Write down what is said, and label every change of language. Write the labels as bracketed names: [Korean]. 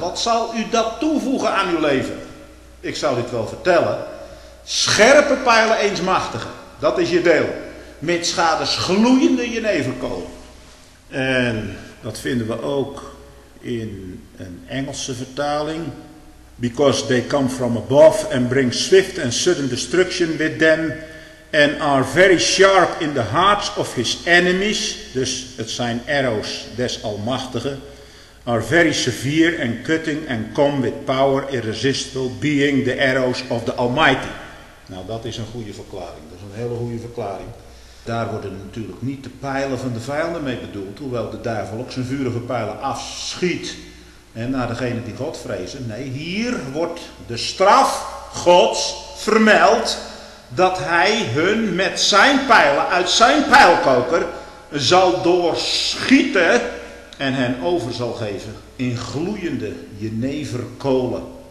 [Dutch] Wat zal u dat toevoegen aan uw leven? Ik zal dit wel vertellen. Scherpe pijlen eens machtigen, dat is je deel. Met schades gloeiende jeneverkool. En dat vinden we ook in een Engelse vertaling. [English] Because they come from above and bring swift and sudden destruction with them. And are very sharp in the hearts of his enemies. [Dutch] Dus het zijn arrows des almachtigen. [English] Are very severe and cutting and come with power irresistible being the arrows of the Almighty. [Dutch] Nou, dat is een goede verklaring. Dat is een hele goede verklaring. Daar worden natuurlijk niet de pijlen van de vijanden mee bedoeld. Hoewel de duivel ook zijn vurige pijlen afschiet en naar degene die God vrezen. Nee, hier wordt de straf Gods vermeld dat hij hun met zijn pijlen uit zijn pijlkoker zal doorschieten en hen over zal geven in gloeiende jeneverkolen.